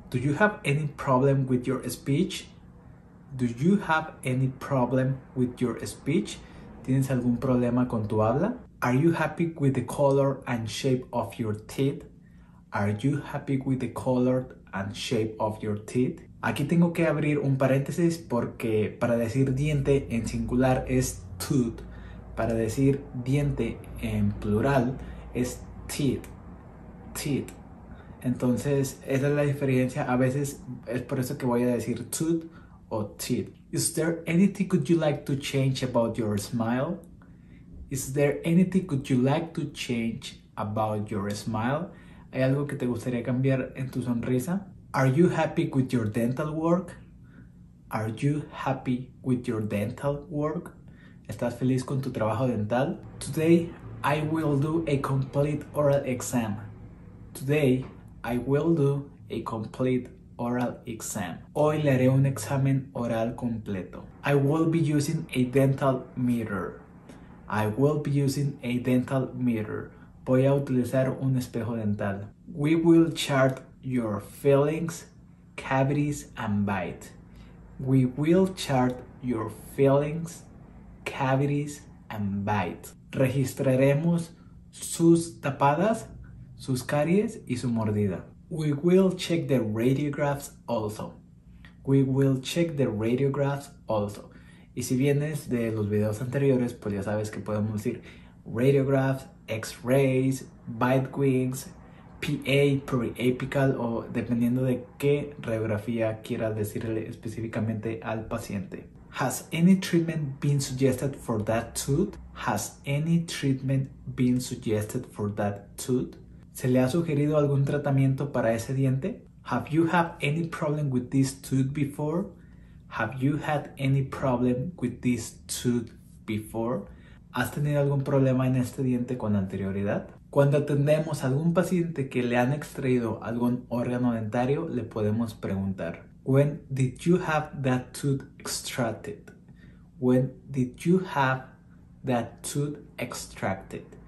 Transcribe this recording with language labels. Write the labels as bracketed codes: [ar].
[en] Do you have any problem with your speech? Do you have any problem with your speech? [es] ¿Tienes algún problema con tu habla? [en] Are you happy with the color and shape of your teeth? Are you happy with the color and shape of your teeth? [es] Aquí tengo que abrir un paréntesis porque para decir diente en singular es tooth. Para decir diente en plural es teeth. Teeth. Entonces, esa es la diferencia. A veces es por eso que voy a decir tooth o teeth. [en] Is there anything could you like to change about your smile? Is there anything could you like to change about your smile? [es] ¿Hay algo que te gustaría cambiar en tu sonrisa? [en] Are you happy with your dental work? Are you happy with your dental work? [es] ¿Estás feliz con tu trabajo dental? [en] Today I will do a complete oral exam. Today I will do a complete oral exam. [es] Hoy le haré un examen oral completo. [en] I will be using a dental mirror. I will be using a dental mirror. [es] Voy a utilizar un espejo dental. [en] We will chart your fillings, cavities and bite. We will chart your fillings, cavities and bite. [es] Registraremos sus tapadas, sus caries y su mordida. [en] We will check the radiographs also. We will check the radiographs also. [es] Y si vienes de los videos anteriores, pues ya sabes que podemos decir radiographs, x-rays, bite wings, PA, periapical, o dependiendo de qué radiografía quieras decirle específicamente al paciente. [en] Has any treatment been suggested for that tooth? Has any treatment been suggested for that tooth? [es] ¿Se le ha sugerido algún tratamiento para ese diente? [en] Have you had any problem with this tooth before? Have you had any problem with this tooth before? [es] ¿Has tenido algún problema en este diente con anterioridad? Cuando atendemos a algún paciente que le han extraído algún órgano dentario, le podemos preguntar: [en] When did you have that tooth extracted? When did you have that tooth extracted?